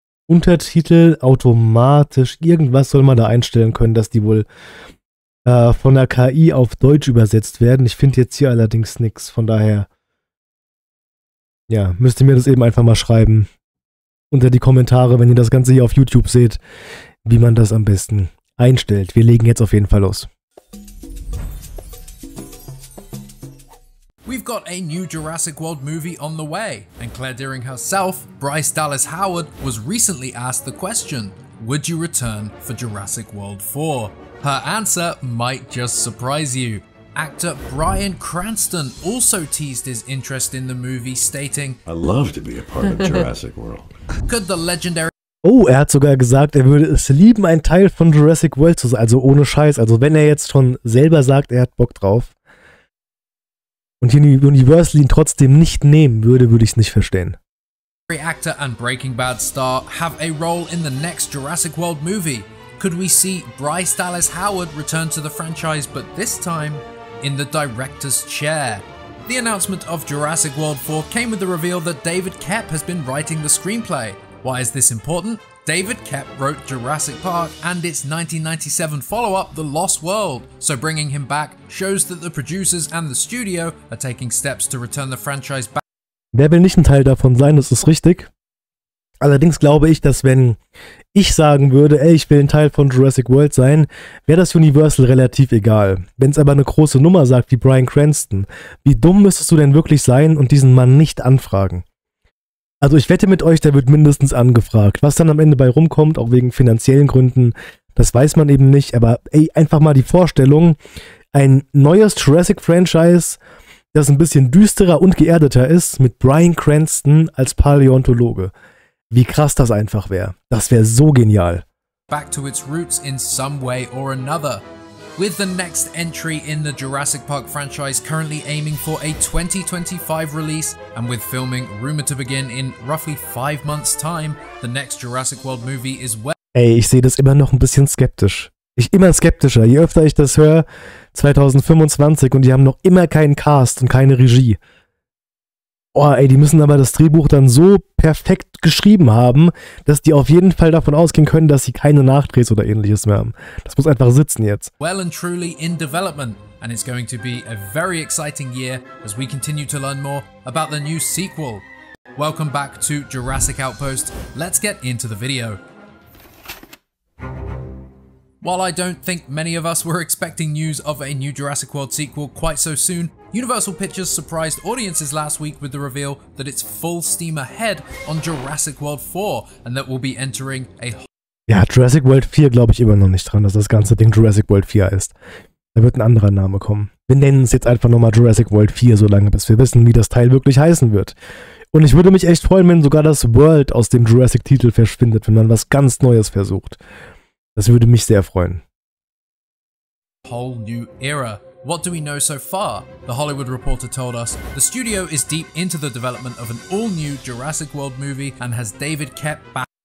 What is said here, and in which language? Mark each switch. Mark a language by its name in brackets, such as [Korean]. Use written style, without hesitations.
[German] Untertitel automatisch. Irgendwas soll man da einstellen können, dass die wohl von der KI auf Deutsch übersetzt werden. Ich finde jetzt hier allerdings nichts, von daher... Ja, müsst ihr mir das eben einfach mal schreiben unter die Kommentare, wenn ihr das Ganze hier auf YouTube seht, wie man das am besten einstellt. Wir legen jetzt auf jeden Fall los. [English] We've got a new Jurassic World movie on the way. And Claire Dearing herself, Bryce Dallas Howard, was recently asked the question, would you return for Jurassic World 4? Her answer might just surprise you. Actor Bryan Cranston also teased his interest in the movie, stating, I love to be a part of Jurassic World. Could the legendary... [German] Oh, er hat sogar gesagt, er würde es lieben, ein Teil von Jurassic World zu sein. Also ohne Scheiß. Also wenn er jetzt schon selber sagt, er hat Bock drauf und Universal ihn trotzdem nicht nehmen würde, würde ich es nicht verstehen. [English] Every actor and Breaking Bad star have a role in the next Jurassic World movie. Could we see Bryce Dallas Howard return to the franchise, but this time in the director's chair? The announcement of Jurassic World 4 came with the reveal that David Koepp has been writing the screenplay. Why is this important? David Koepp wrote Jurassic Park and its 1997 follow-up, The Lost World, so bringing him back shows that the producers and the studio are taking steps to return the franchise back. [German] Wer will nicht ein Teil davon sein, das ist richtig. Allerdings glaube ich, dass wenn ich sagen würde, ey, ich will ein Teil von Jurassic World sein, wäre das Universal relativ egal. Wenn es aber eine große Nummer sagt wie Bryan Cranston, wie dumm müsstest du denn wirklich sein und diesen Mann nicht anfragen? Also ich wette mit euch, der wird mindestens angefragt. Was dann am Ende bei rumkommt, auch wegen finanziellen Gründen, das weiß man eben nicht. Aber ey, einfach mal die Vorstellung, ein neues Jurassic-Franchise, das ein bisschen düsterer und geerdeter ist, mit Bryan Cranston als Paläontologe. Wie krass das einfach wäre. Das wäre so genial. [English] Back to its roots in some way or another. With the next entry in the Jurassic Park franchise currently aiming for a 2025 release, and with filming rumored to begin in roughly 5 months' time, the next Jurassic World movie is well. [German] Ey, ich sehe das immer noch ein bisschen skeptisch. Ich immer skeptischer. Je öfter ich das höre, 2025 und die haben noch immer keinen Cast und keine Regie. Oh, ey, die müssen aber das Drehbuch dann so perfekt geschrieben haben, dass die auf jeden Fall davon ausgehen können, dass sie keine Nachdrehs oder ähnliches mehr haben. Das muss einfach sitzen jetzt. [English] Well and truly in development, and it's going to be a very exciting year as we continue to learn more about the new sequel. Welcome back to Jurassic Outpost. Let's get into the video. While I don't think many of us were expecting news of a new Jurassic World sequel quite so soon, Universal Pictures surprised audiences last week with the reveal that it's full steam ahead on Jurassic World 4 and that we'll be entering a... [German] Ja, Jurassic World 4 glaube ich immer noch nicht dran, dass das ganze Ding Jurassic World 4 heißt. Da wird ein anderer Name kommen. Wir nennen es jetzt einfach nochmal Jurassic World 4, solange bis wir wissen, wie das Teil wirklich heißen wird. Und ich würde mich echt freuen, wenn sogar das World aus dem Jurassic-Titel verschwindet, wenn man was ganz Neues versucht. Das würde mich sehr freuen. [English] Whole new era. What do we know so far? The Hollywood Reporter told us the studio is deep into the development of an all-new Jurassic World movie and has David Koepp back.